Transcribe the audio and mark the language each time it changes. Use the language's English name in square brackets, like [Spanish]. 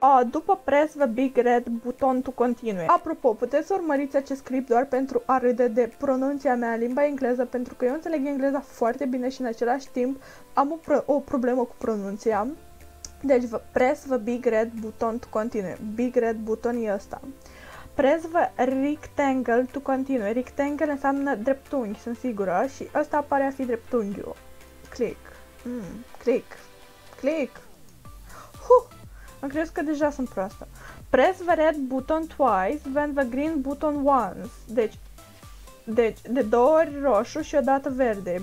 [Romanian] După [English] press the big red button to continue. [Romanian] Apropo, puteți să urmăriți acest clip doar pentru a râde de pronunția mea în limba engleză, pentru că eu înțeleg engleza foarte bine și în același timp am o problemă cu pronunția. Deci, [English] press the big red button to continue. [Romanian] Big red button e ăsta. [English] Press rectangle to continue. [Romanian] Rectangle înseamnă dreptunghi, sunt sigură, și ăsta pare a fi dreptunghiul. Click. Click. Click. Am crezut că deja sunt proastă. [English] Press the red button twice, then the green button once. [Romanian] Deci, de două ori roșu și odată verde.